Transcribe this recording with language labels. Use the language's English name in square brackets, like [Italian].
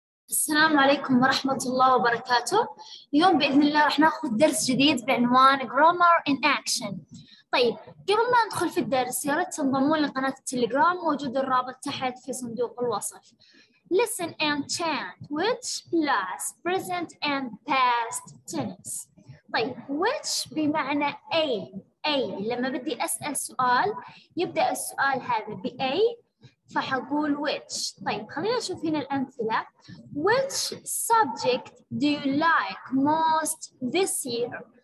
[Arabic] السلام عليكم ورحمة الله وبركاته. اليوم بإذن الله راح ناخذ درس جديد بعنوان [English] Grammar in Action. [Arabic] طيب، قبل ما ندخل في الدرس يا ريت تنضمون لقناة التليجرام، موجود الرابط تحت في صندوق الوصف. [English] Listen and chant which plus present and past tense. [Arabic] طيب، which بمعنى أي لما بدي أسأل سؤال يبدأ السؤال هذا بأي فحقول which. طيب خلينا نشوف هنا الأمثلة. [English] Which subject do you like most this year?